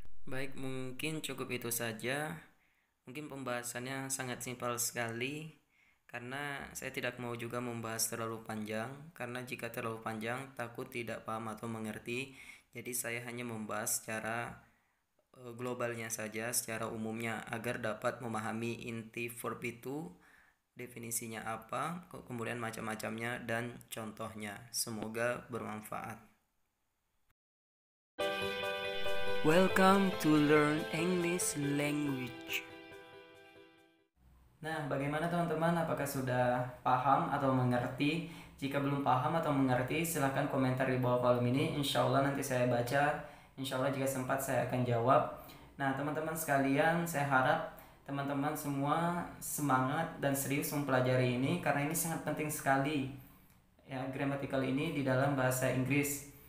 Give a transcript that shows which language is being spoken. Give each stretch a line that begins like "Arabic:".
Indonesian: Baik, mungkin cukup itu saja. Mungkin pembahasannya sangat simpel sekali karena saya tidak mau juga membahas terlalu panjang karena jika terlalu panjang takut tidak paham atau mengerti. Jadi saya hanya membahas secara globalnya saja, secara umumnya agar dapat memahami inti verb itu, definisinya apa, kemudian macam-macamnya dan contohnya. Semoga bermanfaat.
English: Welcome to learn English language.
Indonesian: Nah, bagaimana teman-teman? Apakah sudah paham atau mengerti? Jika belum paham atau mengerti, silakan komentar di bawah kolom ini. Insya Allah nanti saya baca. Insya Allah jika sempat saya akan jawab. Nah, teman-teman sekalian, saya harap teman-teman semua semangat dan serius mempelajari ini karena ini sangat penting sekali ya, grammatical ini di dalam bahasa Inggris.